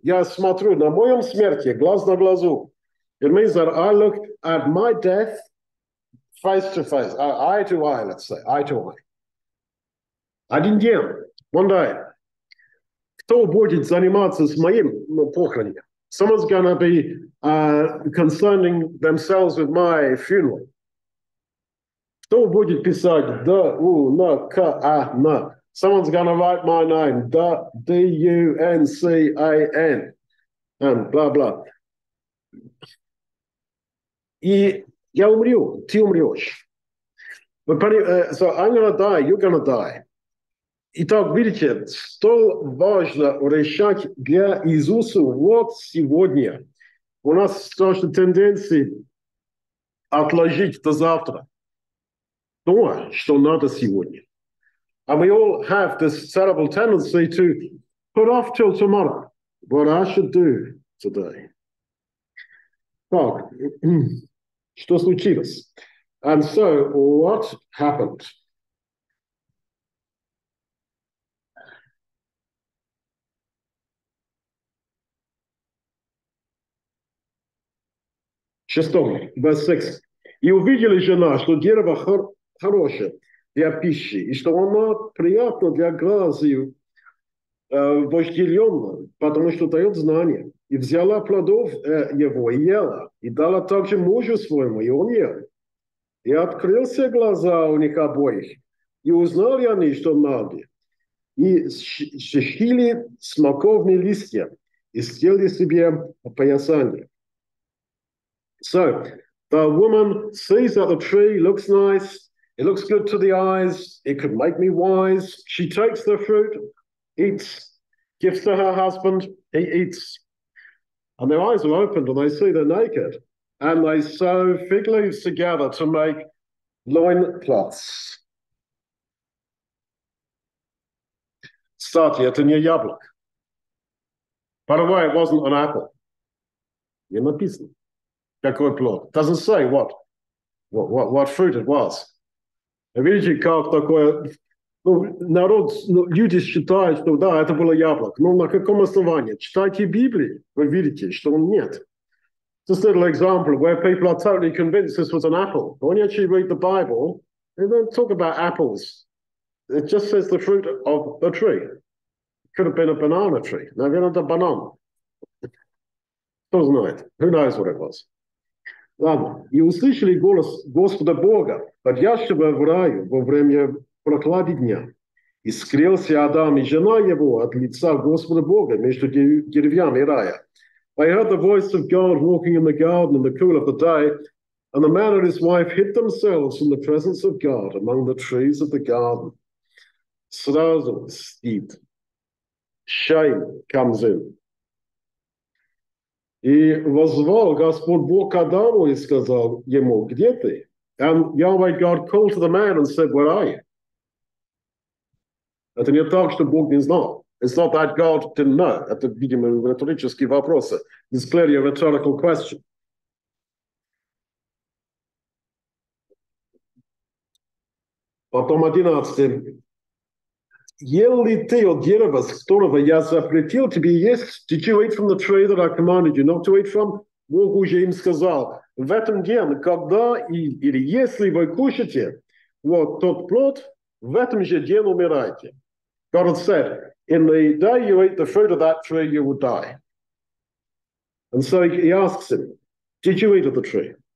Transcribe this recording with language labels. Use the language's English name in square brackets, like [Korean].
[Russian] Я смотрю на моем смерти, глаз на глазу. [English] It means that I look at my death face to face, eye to eye, let's say, eye to eye. [Russian] Один день, [English] one day, [Russian] кто будет заниматься с моим похоронением? [English] Someone's going to be concerning themselves with my funeral. [Russian] Кто будет писать D-U-N-K-A-N? [English] Someone's going to write my name, D-U-N-C-A-N, and blah, blah. [Russian] И я умру, ты умрешь. [English] So I'm going to die, you're going to die. [Russian] Итак, видите, столь важно решать для Иисуса вот сегодня. У нас страшная тенденция отложить до завтра то, что надо сегодня. [English] And we all have this terrible tendency to put off till tomorrow what I should do today. [Russian] Так, что случилось? [English] And so, what happened? [Russian] Шестой, [English] verse 6. [Russian] И увидели жена, что дерево хорошее для пищи, и что оно приятно для глаз и вожделенно, потому что дает знание. И взяла плодов его и ела, и дала также мужу своему, и он ел. И открылся глаза у них обоих, и узнали они, что наги. И сшили смоковные листья, и сделали себе поясание. [English] So, the woman sees that the tree looks nice, it looks good to the eyes, it could make me wise. She takes the fruit, eats, gives to her husband, he eats. And their eyes are opened and they see they're naked. And they sew fig leaves together to make loincloths. [Russian] Кстати, это не яблок. [English] By the way, it wasn't an apple. [Russian] Не написано. Какой плод? [English] Doesn't say what fruit it was. [Russian] Видите, как такое... Ну, народ, ну, люди считают, что да, это было яблоко. Но на каком основании? Читайте Библию, вы видите, что нет. [English] Just a little example where people are totally convinced this was an apple. When you actually read the Bible, they don't talk about apples. It just says the fruit of a tree. It could have been a banana tree. Now, if you don't have a banana, doesn't it? Who knows what it was? [Russian] Ладно, и услышали голос Господа Бога, подъящего в раю во время прохлады дня. И скрылся Адам и жена его от лица Господа Бога между деревьями рая. [English] They heard the voice of God walking in the garden in the cool of the day, and the man and his wife hid themselves from the presence of God among the trees of the garden. [Russian] Сразу стыд. [English] Shame comes in. [Russian] И воззвал Господь Бог к Адаму и сказал ему, где ты? [English] And Yahweh God called to the man and said, where are you? [Russian] Это не так, что Бог не знал. [English] It's not that God didn't know. [Russian] Это, видимо, риторический вопрос. [English] It's clearly a rhetorical question. [Russian] Потом 11. Ел ли ты от дерева, с которого я запретил тебе есть? [English] Did you eat from the tree that I commanded you not to eat from? [Russian] Бог уже им сказал, в этом день, когда или если вы кушаете вот тот плод, в этом же день умираете. [English] God had said, in the day you eat the fruit of that tree, you will die. And so he asks him, did you eat of the tree?